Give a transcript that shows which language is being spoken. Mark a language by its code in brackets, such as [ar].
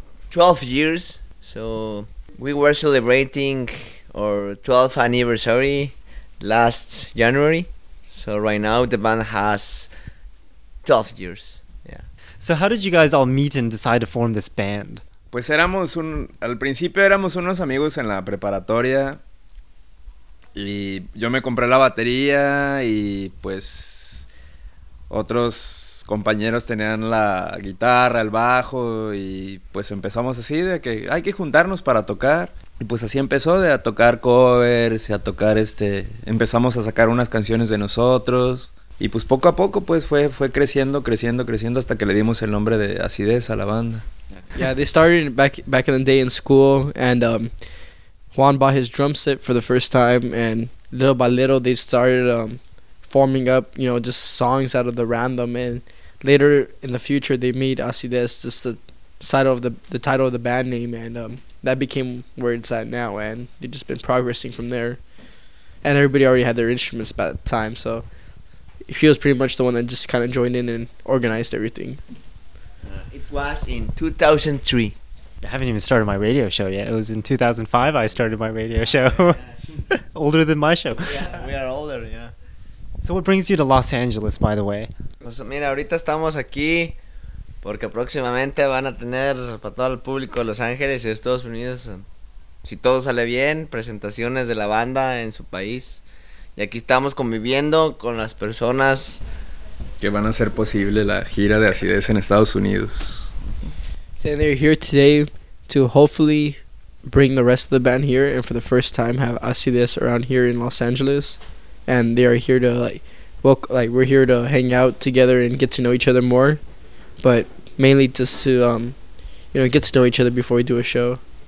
[en] 12 years. So we were celebrating our 12th anniversary last January. So right now the band has 12 years. Yeah. So how did you guys all meet and decide to form this band? [es] Pues éramos un... Al principio éramos unos amigos en la preparatoria. Y yo me compré la batería y pues otros compañeros tenían la guitarra, el bajo y pues empezamos así de que hay que juntarnos para tocar. Y pues así empezó de a tocar covers y a tocar este... Empezamos a sacar unas canciones de nosotros y pues poco a poco pues fue creciendo hasta que le dimos el nombre de Acidez a la banda. [en] Yeah, they started back in the day in school and Juan bought his drum set for the first time and little by little they started forming up, you know, just songs out of the random, and later in the future they made Acidez just the title of the band name, and that became where it's at now, and they've just been progressing from there, and everybody already had their instruments by the time, so he was pretty much the one that just kind of joined in and organized everything. It was in 2003. I haven't even started my radio show yet. It was in 2005 I started my radio show. Older than my show. Yeah, we are older, yeah. So what brings you to Los Angeles, by the way? [es] Pues mira, ahorita estamos aquí porque próximamente van a tener para todo el público de Los Ángeles y de Estados Unidos, si todo sale bien, presentaciones de la banda en su país. Y aquí estamos conviviendo con las personas que van a hacer posible la gira de Acidez en Estados Unidos. [en] And they're here today to hopefully bring the rest of the band here and for the first time have Acidez around here in Los Angeles. And they are here to, we're here to hang out together and get to know each other more. But mainly just to, you know, get to know each other before we do a show.